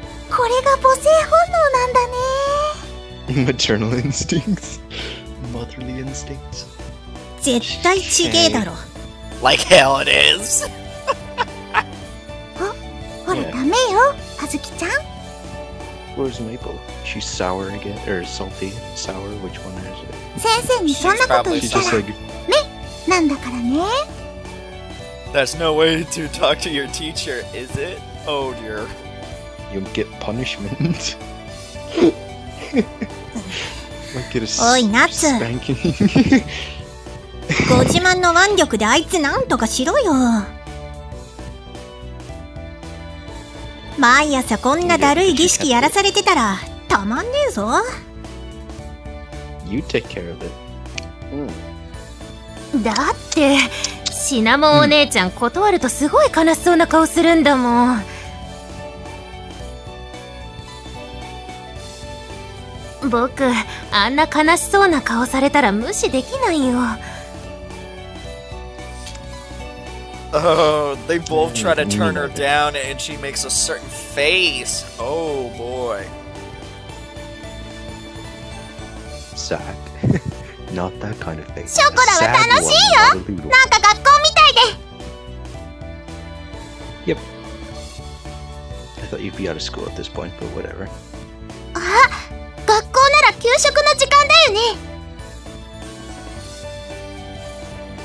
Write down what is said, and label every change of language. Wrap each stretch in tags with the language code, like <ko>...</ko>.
<ja>これが母性本能なんだね。</ja> <en>Maternal instincts. Motherly instincts.</en> <ja>絶対ちげえだろ。</ja> <en>Like hell it is.</en> <ja>ほら、ダメよ、あずきちゃん。</ja> <en>Where's Maple? She's sour again, or salty, sour, which one is it? 先生にそんなこと言ったら、ね、なんだからね。 That's no way to talk to your teacher, is it? Oh dear. You'll get punishment. Might get a spanking.</en> <ja>ご自慢の腕力であいつなんとかしろよ。毎朝こんなだるい儀式やらされてたらたまんねえぞ。</ja> <en>You take care of it.</en> <ja>だってシナモンお姉ちゃん断るとすごい悲しそうな顔するんだもん。僕あんな悲しそうな顔されたら無視できないよ。</ja> <en>Oh, they both try to turn her down and she makes a certain face. Oh boy. Sad. Not that kind of face.</en> <ja>Chocolate は楽しいよ。なんか学校みたいで。</ja> <en>Yep. I thought you'd be out of school at this point, but whatever.</en> <ja>あ、学校なら給食の時間だよね。ご主人様にケーキもらってこよ、給食。</ja>